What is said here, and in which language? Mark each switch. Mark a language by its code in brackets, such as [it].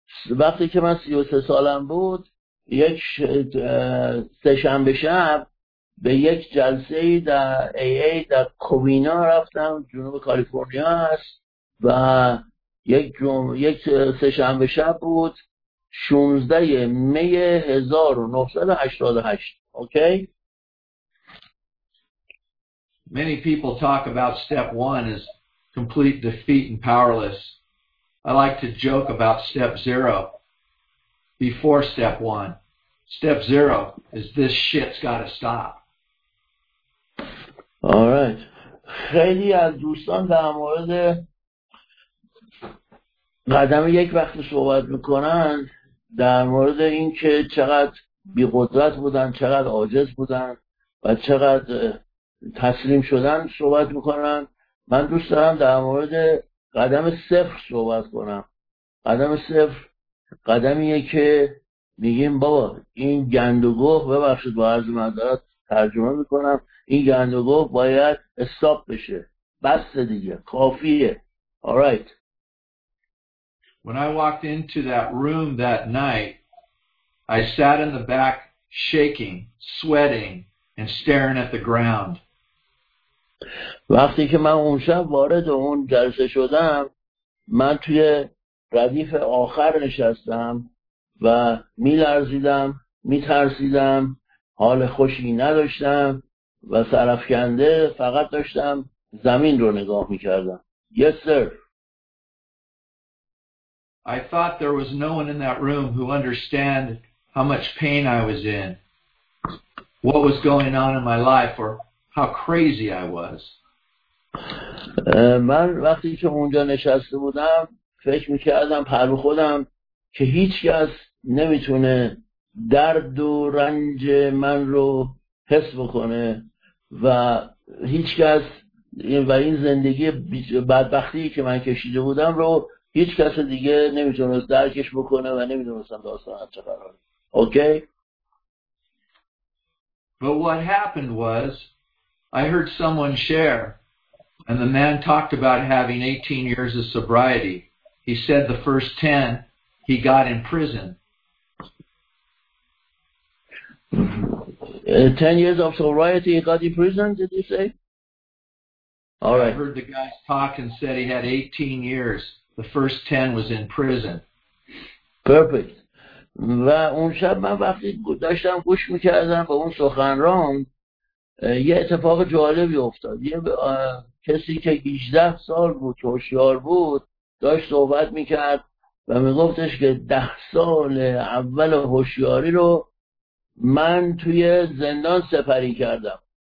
[fa] وقتی که من 33 سالم بود یک سه‌شنبه شب به یک جلسه در AA در کووینا رفتم، جنوب کالیفرنیا است، و یک سه‌شنبه شب بود 16 می 1988. اوکی. [en] Many people talk about step 1 is complete defeat and powerless. I like to joke about step zero before step one. Step zero is this shit's got to stop. All right. [fa] خیلی از دوستان در مورد قدم یک وقت صحبت میکنن در مورد این که چقدر بی‌قدرت بودن، چقدر عاجز بودن و چقدر تسلیم شدن صحبت میکنن. من دوست دارم در مورد قدم صفر صحبت کنم. قدم صفر قدمیه که میگیم بابا این گندگوه، ببخشید با عرض معذرت ترجمه میکنم، این گندگوه باید استاپ بشه، بس دیگه، کافیه. [en] Alright. When I walked into that room that night, I sat in the back shaking, sweating and staring at the ground. [fa] وقتی که من اون شب وارد اون جلسه شدم، من توی ردیف آخر نشستم و میلرزیدم، میترسیدم، حال خوشی نداشتم و سرفکنده فقط داشتم زمین رو نگاه میکردم. [en] Yes, sir. I thought there was no one in that room who understand how much pain I was in, what was going on in my life, or how crazy I was. [fa] من وقتی که اونجا نشسته بودم فکر میکردم پر به خودم که هیچ کس نمیتونه درد و رنج من رو حس بکنه و هیچ کس و این زندگی بدبختی که من کشیده بودم رو هیچ کس دیگه نمیتونه درکش بکنه و نمیدونستم داستان چه قراره. اوکی. [en] But what happened was I heard someone share, and the man talked about having 18 years of sobriety. He said the first 10 he got in prison. 10 years of sobriety he got in prison, did you say? All right. I heard the guy talk and said he had 18 years. The first 10 was in prison. Perfect. [fa] و اون شب من وقتی داشتم گوش میکردم به اون سخنران یه اتفاق جالبی افتاد. یه کسی که 18 سال بود هوشیار بود داشت صحبت میکرد و میگفتش که 10 سال اول هوشیاری رو من توی زندان سپری کردم.